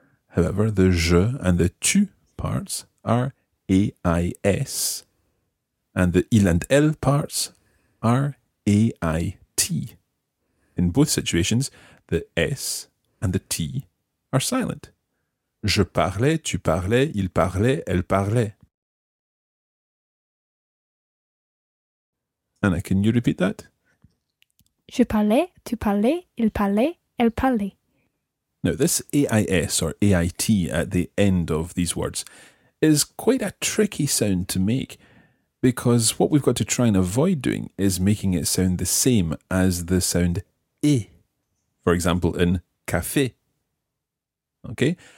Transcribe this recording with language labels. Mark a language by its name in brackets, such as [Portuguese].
[English] However, the je and the tu parts are A-I-S and the il and elle parts are A-I-T. In both situations, the S and the T are silent. [French] Je parlais, tu parlais, il parlait, elle parlait. [English] Anna, can you repeat that? [French] Je parlais, tu parlais, il parlait, elle parlait. [English] Now, this A-I-S or A-I-T at the end of these words is quite a tricky sound to make because what we've got to try and avoid doing is making it sound the same as the sound E, for example, in café. Okay?